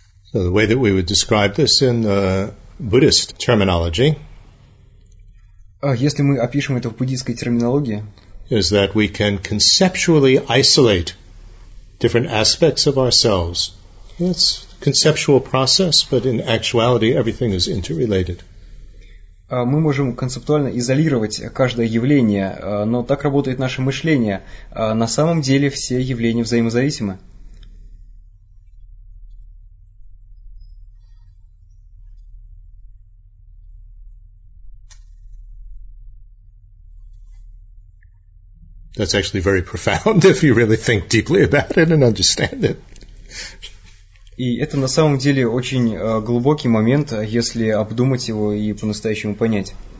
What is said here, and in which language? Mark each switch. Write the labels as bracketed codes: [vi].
[en] So the way that we would describe this in Buddhist terminology [ru] если мы опишем это в буддийской терминологии, [en] is that we can conceptually isolate different aspects of ourselves. It's a conceptual process, but in actuality everything is interrelated. [ru] Мы можем концептуально изолировать каждое явление, но так работает наше мышление. На самом деле все явления взаимозависимы. [en] That's actually very profound if you really think deeply about it and understand it. [ru] И это на самом деле очень глубокий момент, если обдумать его и по-настоящему понять.